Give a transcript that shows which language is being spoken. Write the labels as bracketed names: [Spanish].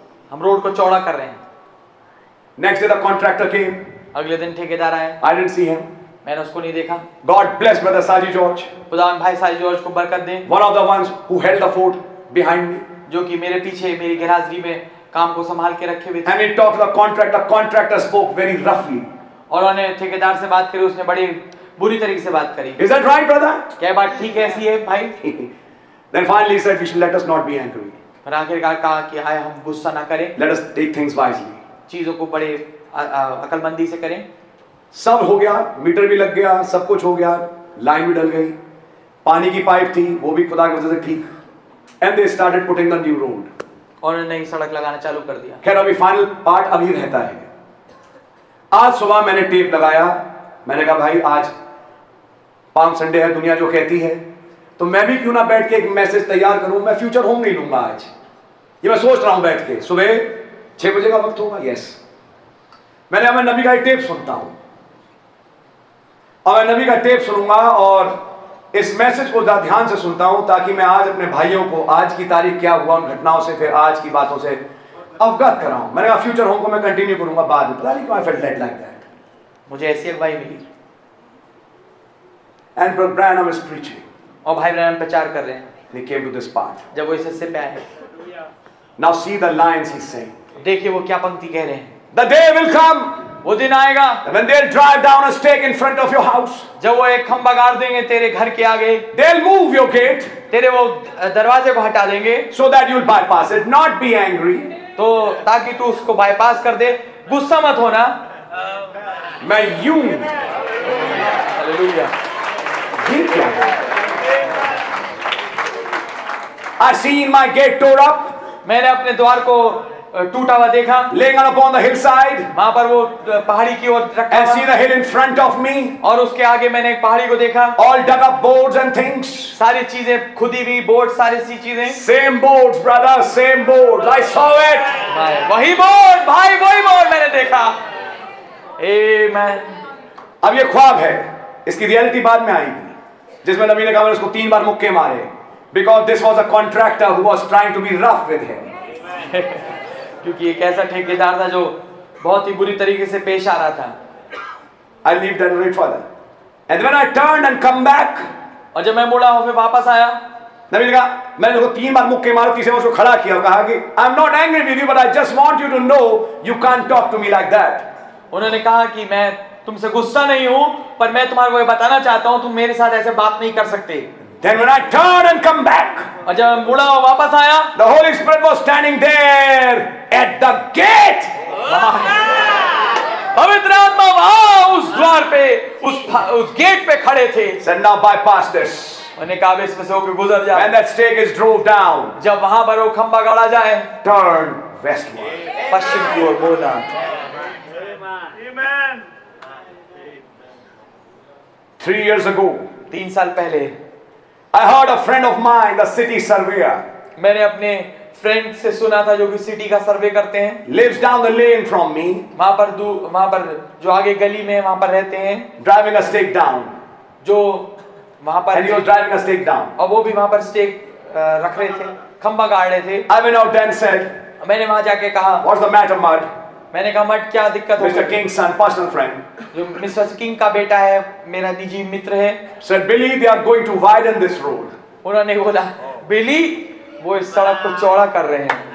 [Hindi] हम रोड को चौड़ा कर रहे हैं. [English] Next day the contractor came. [Hindi] अगले दिन ठेकेदार आए. [English] I didn't see him. [Hindi] मैंने उसको नहीं देखा. [English] God bless brother Saji George. [Hindi] खुदा भाई साजी जॉर्ज को बरकत दे. [English] one of the ones who held the fort behind me, [Hindi] जो कि मेरे पीछे मेरी गैराजरी में काम को संभाल के रखे हुए थे. [English] And he talked to the contractor. Contractor spoke very roughly. [Hindi] और उन्होंने ठेकेदार से बात करी, उसने बड़ी बुरी तरीके से बात करी. [English] Is that right, brother? [Hindi] क्या बात ठीक है ऐसी है भाई? [English] Then finally he said, "We should let us not be angry." [Hindi] और आखिरकार कहा कि आए हम गुस्सा ना करें. [English] Let us take things wisely. [Hindi] चीजों को बड़े अकलमंदी से करें. सब हो गया, मीटर भी लग गया, सब कुछ हो गया, लाइन भी डल गई, पानी की पाइप थी वो भी खुदा की वजह से ठीक. [English] And they started putting the new road. [Hindi] और नई सड़क लगाना चालू कर दिया. खैर अभी फाइनल पार्ट अभी रहता है. आज सुबह मैंने टेप लगाया, मैंने कहा भाई आज पाम संडे है, दुनिया जो कहती है, तो मैं भी क्यों ना बैठ के एक मैसेज तैयार करूं। मैं फ्यूचर होम नहीं लूंगा आज, ये मैं सोच रहा हूं बैठ के, सुबह 6 बजे का वक्त होगा। यस, मैंने अमर नबी का एक टेप सुनता हूं, अमर नबी का टेप सुनूंगा और इस मैसेज को ज्यादा ध्यान से सुनता हूं, ताकि मैं आज अपने भाइयों को आज की तारीख क्या हुआ उन घटनाओं से, फिर आज की बातों से अवगत कराऊं। मैंने कहा फ्यूचर होम को मैं कंटिन्यू करूंगा बाद में, पता नहीं क्यों [English] I felt like that. [Hindi] मुझे ऐसी एक भाई मिली [English] and brother Brynum is preaching, [Hindi] और भाई ब्रायनम प्रचार कर रहे हैं, [English] he came to this part, [Hindi] जब वो इस हिस्से पे आए, [English] now see the lines he saying, [Hindi] देखिए वो क्या पंक्ति कह रहे हैं, [English] the day will come, [Hindi] वो दिन आएगा, [English] when they'll drive down a stake in front of your house, [Hindi] जब वो एक खंभा गाड़ देंगे तेरे घर के आगे, [English] they'll move your gate, [Hindi] तेरे वो दरवाजे को हटा देंगे, [English] so that you'll bypass it, not be angry, [Hindi] तो ताकि तू उसको बाईपास कर दे, गुस्सा मत होना, मैं यूं, हालेलुया, ठीक है, [English] I seen my gate tore up, [Hindi] मैंने अपने द्वार को टूटा देखा, [English] laying on upon the hillside, [Hindi] वहाँ पर वो पहाड़ी की ओर रखा, [English] I see the hill in front of me, [Hindi] और उसके आगे मैंने एक पहाड़ी को देखा, [English] all dug up boards and things, [Hindi] सारी चीजें खुदी हुई, boards सारी सी चीजें, [English] same boards brother, same boards, I saw it, [Hindi] वही board भाई, वही board मैंने देखा, amen। अब ये ख्वाब है, इसकी रियलिटी बाद में आएगी, जिसमें नबी ने कहा उसको 3 बार मुक्के मारे, [English] because this was a contractor who was trying to be rough with him, [Hindi] क्योंकि एक ऐसा ठेकेदार था जो बहुत ही बुरी तरीके से पेश आ रहा था। [English] I leave that right father. And when I turned and come back, [Hindi] और जब मैं मुड़ा और फिर वापस आया, नबी ने कहा मैंने उसको 3 बार मुक्के मारे, तीसरे बार उसको खड़ा किया और कहा कि [English] I'm not angry with you, but I just want you to know you can't talk to me like that. [Hindi] उन्होंने कहा कि मैं तुमसे गुस्सा नहीं हूं, पर मैं तुम्हारे को यह बताना चाहता हूं, तुम मेरे साथ ऐसे बात नहीं कर सकते। [English] Then when I turned and come back, [Hindi] और जब मैं मुड़ा और वापस आया, [English] the Holy Spirit was standing there at the gate. [Hindi] पवित्र आत्मा वहाँ उस द्वार पे, उस गेट पे खड़े थे। [English] Said now bypass this. [Hindi] मैंने कहा इसमें से होकर गुजर जाए। [English] When that stake is drove down, [Hindi] जब वहाँ पर वो खंभा गाड़ा जाए, [English] turn westward. [Hindi] पश्चिम की ओर मुड़ना। [English] Amen. 3 years ago. [Hindi] 3 साल पहले. [English] I heard a friend of mine, the city surveyor. [Hindi] मैंने अपने फ्रेंड से सुना था जो कि सिटी का सर्वे करते हैं. [English] Lives down the lane from me. [Hindi] वहाँ पर जो आगे गली में वहाँ पर रहते हैं. [English] Driving a stake down. [Hindi] जो वहाँ पर. [English] And he was driving a stake down. [Hindi] और वो भी वहाँ पर stake रख रहे थे, खंबा गाड़ रहे थे. [English] I went out and said. [Hindi] मैंने वहाँ जाके कहा. [English] What's the matter, mud? [Hindi] मैंने कहा मत क्या दिक्कत [English] है? Mr. King's son, personal friend. [Hindi] जो मिस्टर किंग का बेटा है, मेरा निजी मित्र है. [English] Said Billy, they are going to widen this road. [Hindi] उन्होंने बोला, Billy, वो इस सड़क को चौड़ा कर रहे हैं.